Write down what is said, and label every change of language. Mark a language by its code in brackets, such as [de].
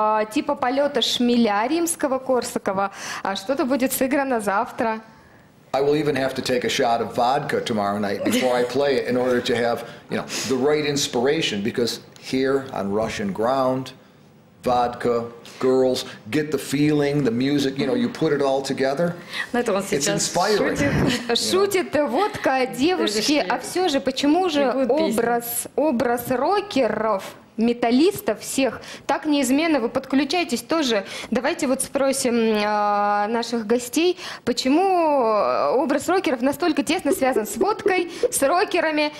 [ru] Типа полета шмеля Римского-Корсакова. А что-то будет сыграно завтра. [en] I will even have to take a shot of vodka tomorrow night before I play it in order to have, the right inspiration, because here on Russian ground, vodka, girls, get the feeling, the music, you put it all together. It's inspiring. [ru] Шутит водка, девушки, а все же, почему же образ рокеров, металлистов всех так неизменно, вы подключаетесь тоже. Давайте вот спросим наших гостей, почему образ рокеров настолько тесно связан с водкой, с рокерами.